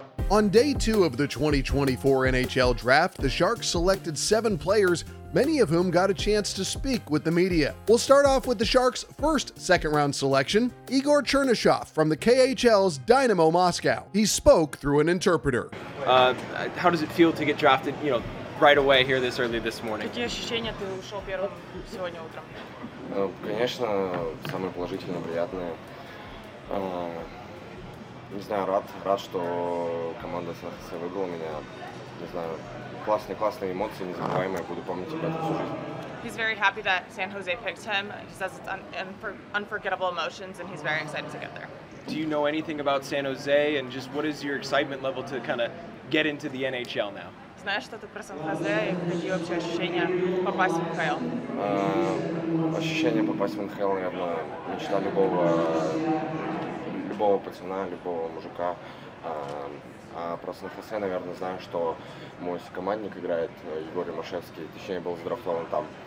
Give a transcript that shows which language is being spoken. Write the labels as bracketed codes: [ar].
[en] On day two of the 2024 NHL Draft, the Sharks selected seven players, many of whom got a chance to speak with the media. We'll start off with the Sharks' first second-round selection, Igor Chernyshov from the KHL's Dynamo Moscow. He spoke through an interpreter. How does it feel to get drafted, you know, right away here this early this morning? [ru] Какие ощущения ты ушел первым сегодня утром? Конечно, самое положительное, приятное. Не знаю, рад, что команда СНХС выбрала меня. Не знаю, классные эмоции, незабываемые, буду помнить об этом всю жизнь. [en] He's very happy that San Jose picked him. He says it's unforgettable emotions, and he's very excited to get there. Do you know anything about San Jose, and just what is your excitement level to kind of get into the NHL now? [ru] Знаешь что-то про Сан-Хосе и какие вообще ощущения попасть в НХЛ? Ощущение попасть в НХЛ, наверное, мечта любого пацана, любого мужика. А про Сан-Хосе, наверное, знаю, что мой командник играет, Егор Римашевский, точнее, был задрафтован там.